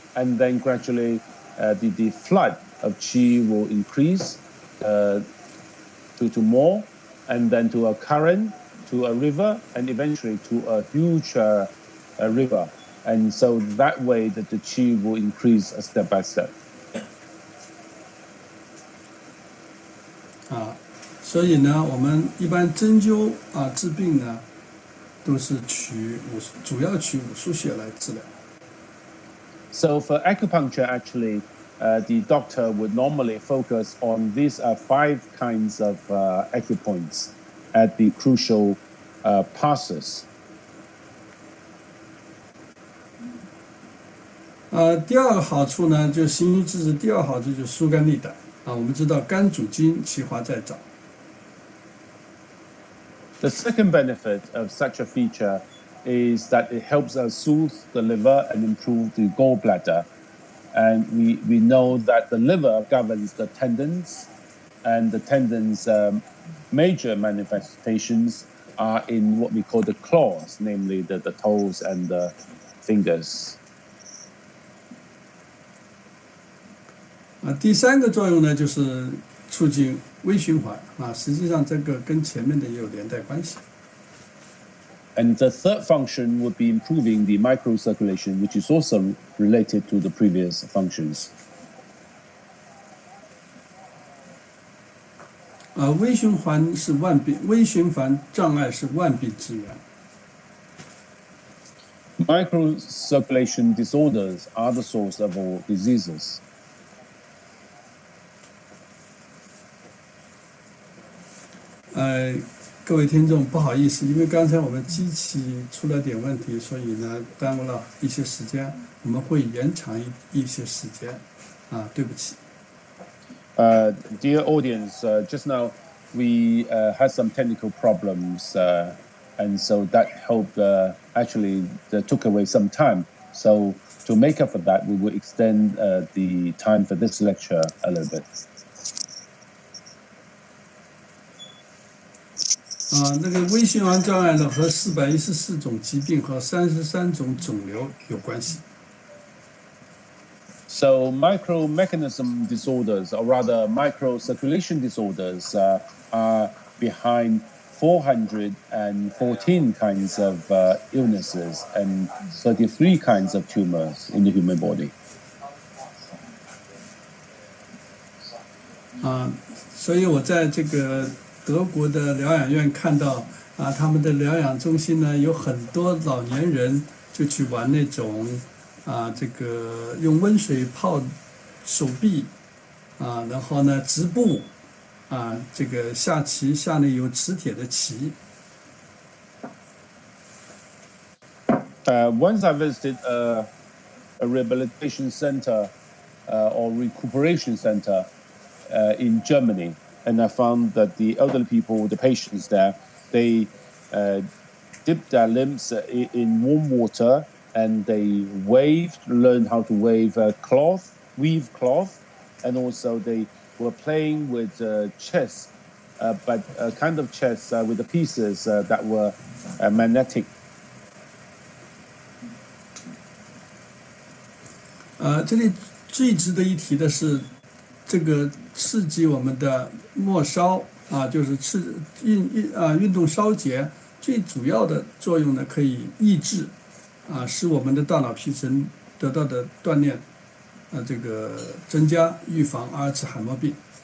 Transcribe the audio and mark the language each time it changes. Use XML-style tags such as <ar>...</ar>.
<en>and then gradually the flood of qi will increase to more, and then to a current, to a river, and eventually to a huge a river. And so that way that the qi will increase step by step.</en> <zh>所以呢，我们一般针灸啊治病呢，都是取五主要取五腧穴来治疗。</zh> <en>So for acupuncture, actually, the doctor would normally focus on these five kinds of acupoints at the crucial passes.</en> <zh>第二个好处呢，就行医治治第二好处就疏肝利胆啊。我们知道肝主筋，气化在脏。</zh> <en>The second benefit of such a feature is that it helps us soothe the liver and improve the gallbladder. And we know that the liver governs the tendons, and the tendons' major manifestations are in what we call the claws, namely the toes and the fingers.</en> <zh>第三个作用呢，就是促进微循环啊，实际上这个跟前面的也有连带关系。</zh> <en>And the third function would be improving the microcirculation, which is also related to the previous functions.</en> <zh>微循环是万病，微循环障碍是万病之源。</zh> <en>Microcirculation disorders are the source of all diseases.</en> <zh>各位听众，不好意思，因为刚才我们机器出了点问题，所以呢耽误了一些时间，我们会延长一些时间，对不起。</zh> <en>Dear audience, just now we had some technical problems, and so that helped, actually took away some time. So to make up for that, we will extend the time for this lecture a little bit.</en> <zh>那个微循环障碍呢，和414种疾病和33种肿瘤有关系。</zh> <en>So micro mechanism disorders, or rather micro circulation disorders, are behind 414 kinds of illnesses and 33 kinds of tumors in the human body.</en> <zh>所以我在这个。德国的疗养院看到啊，他们的疗养中心呢，有很多老年人就去玩那种啊，这个用温水泡手臂啊，然后呢直步啊，这个下棋下那有磁铁的棋。</zh> <en>Once I visited a rehabilitation center, or recuperation center, in Germany. And I found that the elderly people, the patients there, they dip their limbs in warm water and they learned how to weave cloth, and also they were playing with chess, but a kind of chess with the pieces that were magnetic.</en> <zh>这里最值得一提的是这个刺激我们的末梢啊，就是运动梢节最主要的作用呢，可以抑制啊，使我们的大脑皮层得到的锻炼这个增加，预防阿尔茨海默病。</zh>